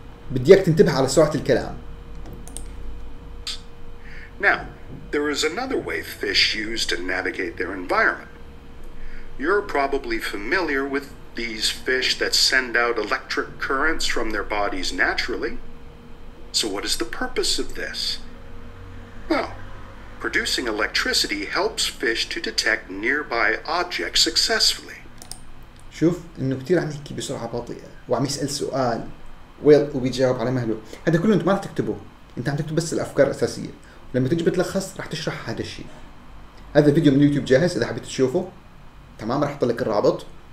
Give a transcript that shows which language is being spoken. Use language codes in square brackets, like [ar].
[ar] بدي إياك تنتبه على سرعة الكلام. [en] Now, there is another way fish use to navigate their environment. You're probably familiar with these fish that send out electric currents from their bodies naturally. So what is the purpose of this? Well, producing electricity helps fish to detect nearby objects successfully. [ar] شوف إنه كتير عم يحكي بسرعة بطيئة وعم يسأل سؤال ويل وبيجاوب على مهله. هذا كله أنت ما راح تكتبه, أنت عم تكتب بس الأفكار الأساسية, ولما تجي بتلخص راح تشرح هذا الشيء. هذا فيديو من يوتيوب جاهز إذا حبيت تشوفه, تمام, راح أحط لك الرابط.